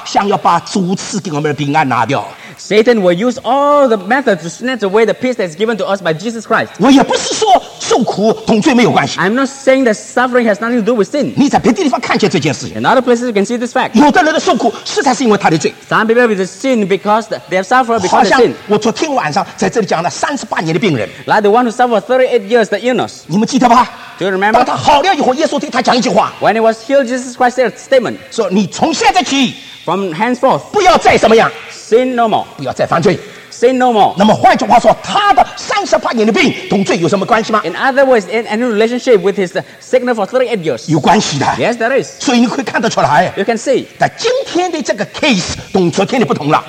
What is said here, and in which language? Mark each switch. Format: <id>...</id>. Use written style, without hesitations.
<zh>弟兄姊妹们，魔鬼用国家的办法，想要把主赐给我们的平安拿掉。</zh> <en>Satan will use all the methods to snatch away the peace that is given to us by Jesus Christ.</en> <zh>我也不是说受苦同罪没有关系。</zh> <en>I'm not saying that suffering has nothing to do with sin.</en> <zh>你在别的地方看见这件事情。</zh> <en>In other places you can see this fact.</en> <zh>有的人的受苦实在是因为他的罪。</zh> <en>Some people have sinned because they have suffered because of sin.</en> <zh>好像我昨天晚上在这里讲了38年的病人。</zh> <en>Like the one who suffered 38 years the illness.</en> <zh>你们记得吧？</zh> <en>Do you remember?</en> <zh>当他好了以后，耶稣对他讲一句话。</zh> <en>When he was healed, Jesus Christ said a statement.</en> <zh>说你从现在起，</zh> <en>From henceforth,</en> <zh>不要再怎么样，</zh> <en>Sin no more，</en> <zh>不要再犯罪，</zh> <en>Sin no more。</en> <zh>那么换句话说， 他的38年的病同罪有什么关系吗？</zh> <en>In other words, in any relationship with his sickness for 38 years，</en> <zh>有关系的。</zh> <en>Yes, there is。</en> <zh>所以你可以看得出来，</zh> <en>You can see。</en> <zh>但今天的这个 case 同昨天的不同了。</zh>